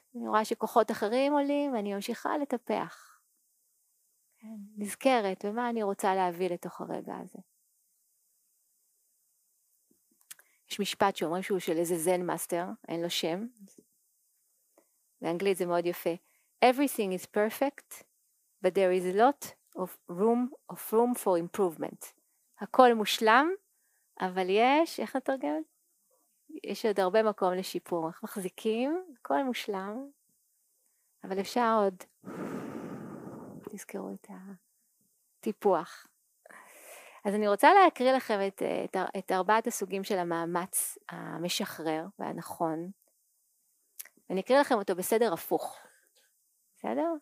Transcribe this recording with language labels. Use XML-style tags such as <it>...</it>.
<he>אני רואה שכוחות אחרים עולים, ואני ממשיכה לטפח. כן. נזכרת, ומה אני רוצה להביא לתוך הרגע הזה. יש משפט שאומרים שהוא של איזה זן מאסטר, אין לו שם. באנגלית זה מאוד יפה.</he> <en>Everything is perfect, but there is a lot of room for improvement.</en> <he>הכל מושלם, אבל יש, איך את תרגמת? יש עוד הרבה מקום לשיפור, אנחנו מחזיקים, הכל מושלם, אבל אפשר עוד, תזכרו את הטיפוח. אז אני רוצה להקריא לכם את ארבעת הסוגים של המאמץ המשחרר והנכון, ואני אקריא לכם אותו בסדר הפוך, בסדר?</he>